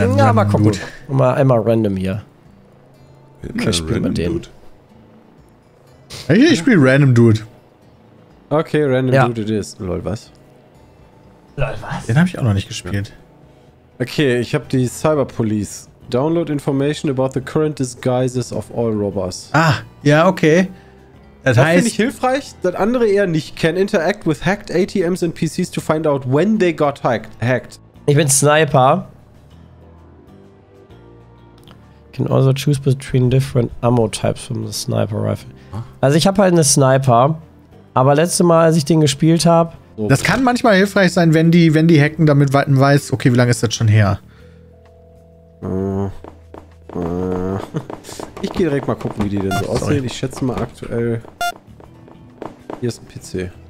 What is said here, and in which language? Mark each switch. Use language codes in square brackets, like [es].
[de] Random. Ja, mal gucken. Dude. Mal einmal random hier. Okay, ich spiele mit dem. Dude. Ich spiele Random Dude. [en] Okay, Random Dude it is. Lol, was? [de] Lol, was? Den habe ich auch noch nicht gespielt. Okay, ich habe die Cyber Police. [en] Download information about the current disguises of all robbers. [de] Ah, ja, okay. Das heißt, finde ich hilfreich, das andere eher nicht. [en] Can interact with hacked ATMs and PCs to find out when they got hacked. [de] Ich bin Sniper. [en] Can also choose between different ammo types from the sniper rifle. [de] Also ich habe halt eine Sniper, aber letzte Mal, als ich den gespielt habe... Das kann manchmal hilfreich sein, wenn die hacken, damit man weiß, okay, wie lange ist das schon her? Ich gehe direkt mal gucken, wie die denn so aussehen. Sorry. Ich schätze mal aktuell... Hier ist ein PC.